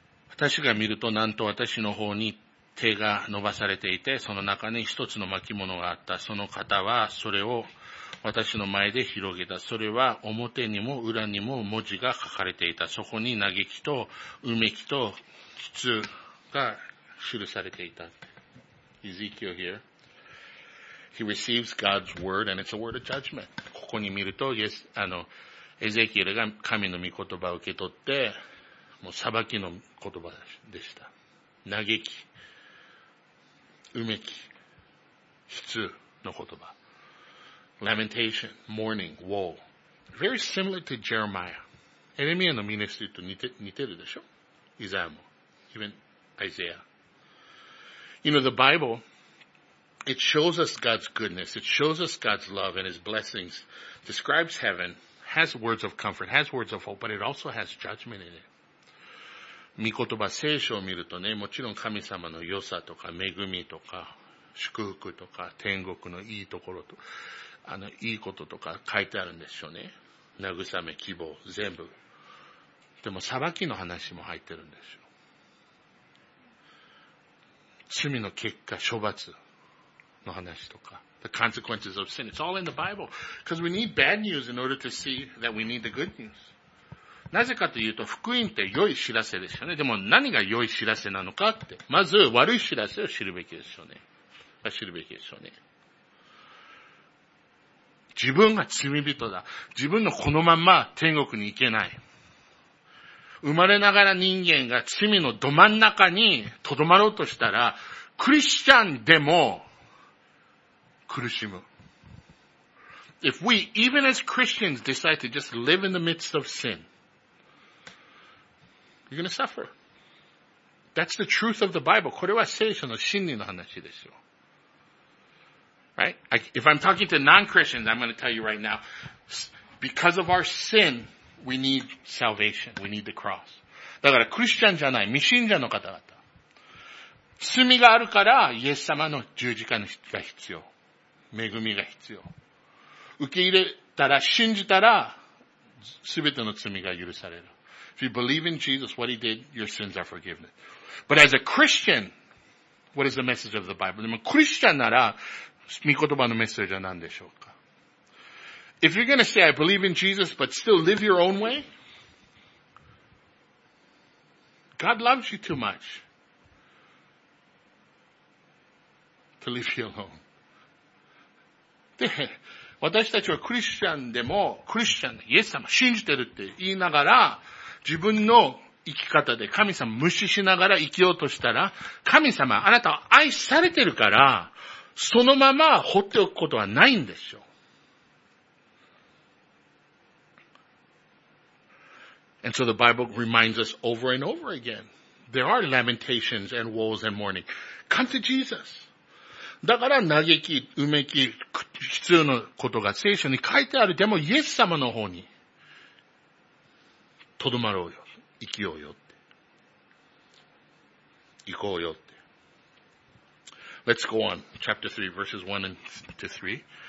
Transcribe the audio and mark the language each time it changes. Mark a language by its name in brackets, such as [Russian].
[Japanese] 私が見ると、なんと私の方に手が伸ばされていて、その中に一つの巻物があった。その方はそれを私の前で広げた。それは表にも裏にも文字が書かれていた。そこに嘆きと、うめきと、きつ、が記されていた。 [English] Ezekiel here. He receives God's word and it's a word of judgment. [Japanese] ここに見ると、yes, エゼキエルが神の御言葉を受け取って、もう裁きの言葉でした。嘆き、うめき、悲痛の言葉。 [English] Lamentation, mourning, woe. Very similar to Jeremiah. [Japanese] エレミアのミネストリーと似てるでしょ？イザヤも。 [English] Even Isaiah. You know, the Bible, it shows us God's goodness, it shows us God's love and His blessings, describes heaven, has words of comfort, has words of hope, but it also has judgment in it. [Japanese] 御言葉聖書を見るとね、もちろん神様の良さとか恵みとか祝福とか天国のいいところと、いいこととか書いてあるんでしょうね。慰め、希望、全部。でも裁きの話も入ってるんでしょう。罪の結果、処罰の話とか。 [English] The consequences of sin. It's all in the Bible. Because we need bad news in order to see that we need the good news. [Japanese] なぜかというと、福音って良い知らせですよね。でも何が良い知らせなのかって。まず悪い知らせを知るべきですよね。知るべきですよね。自分が罪人だ。自分のこのまま天国に行けない。生まれながら人間が罪のど真ん中に留まろうとしたら、クリスチャンでも苦しむ。 [English] If we, even as Christians, decide to just live in the midst of sin, you're gonna suffer. That's the truth of the Bible. [Japanese] これは聖書の真理の話ですよ。 [English] Right? If I'm talking to non-Christians, I'm going to tell you right now, because of our sin, we need salvation. We need the cross. [Japanese] だから、クリスチャンじゃない、未信者の方々。罪があるから、イエス様の十字架が必要。恵みが必要。受け入れたら、信じたら、すべての罪が許される。 [English] If you believe in Jesus, what he did, your sins are forgiven. But as a Christian, what is the message of the Bible? [Japanese] でも、クリスチャンなら、御言葉のメッセージは何でしょうか? [English] If you're gonna say, I believe in Jesus, but still live your own way, God loves you too much to leave you alone. [Japanese] で、私たちはクリスチャンでも、クリスチャン、イエス様信じてるって言いながら、自分の生き方で神様無視しながら生きようとしたら、神様、あなたは愛されてるから、そのまま放っておくことはないんですよ。 [English] And so the Bible reminds us over and over again. There are lamentations and woes and mourning. Come to Jesus. [Japanese] だから嘆き、うめき、必要なことが聖書に書いてある。でもイエス様の方に。とどまろうよ。生きようよって。行こうよって。 [English] Let's go on. Chapter 3, verses 1 to 3.